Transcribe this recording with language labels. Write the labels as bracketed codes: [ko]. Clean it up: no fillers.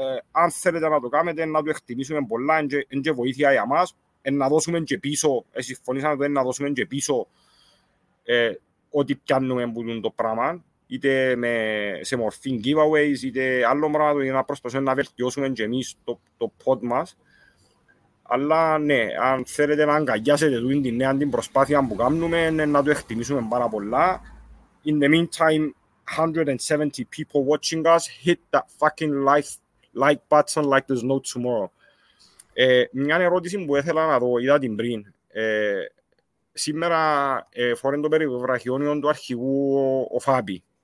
[el] Αν θέλετε να το κάνετε, να το εκτιμήσουμε πολλά, είναι βοήθεια για μας, να δώσουμε και πίσω, συμφωνήσαμε το, να δώσουμε και πίσω ό,τι πιάνουμε που είναι το πράγμα, είτε σε μορφή giveaways, είτε άλλο πράγμα, είτε να προσπαθούμε να βελτιώσουμε και εμείς το pod μας. Αλλά ναι, αν θέλετε να αγκαλιάσετε την προσπάθεια που κάνουμε, να το εκτιμήσουμε πάρα πολλά. [en] In the meantime, 170 people watching us, hit that fucking like button like there's no tomorrow. [el] Μια ερώτηση που ήθελα να δω, είδα την πριν. Σήμερα φορέν το περιβραχιόνιον του αρχηγού ο Φάμπι.